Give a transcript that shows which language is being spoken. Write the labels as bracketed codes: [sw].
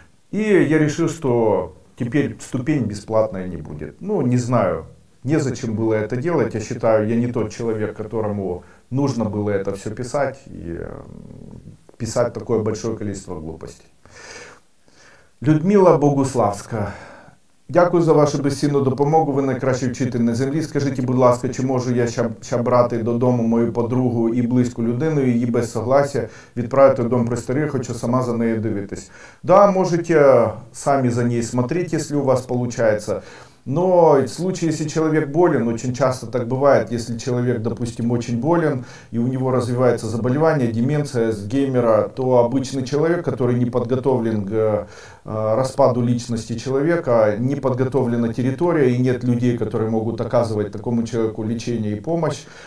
[ru] И я решил, что теперь ступень бесплатная не будет. Ну, не знаю, незачем было это делать. Я считаю, я не тот человек, которому нужно было это все писать. И писать такое большое количество глупостей. Людмила Богуславська. [uk] Дякую за вашу безцінну допомогу, ви найкращий вчитель на землі. Скажіть, будь ласка, чи можу я ще брати додому мою подругу і близьку людину, її [ru] без согласия [uk] відправити в дом престарілих, хочу сама за нею дивитись. Да, можете самі за неї [ru] смотреть, [uk] якщо у вас виходить. [ru] Но в случае, если человек болен, очень часто так бывает, если человек, допустим, очень болен, и у него развивается заболевание, деменция, Альцгеймера, то обычный человек, который не подготовлен к распаду личности человека, не подготовлена территория, и нет людей, которые могут оказывать такому человеку лечение и помощь,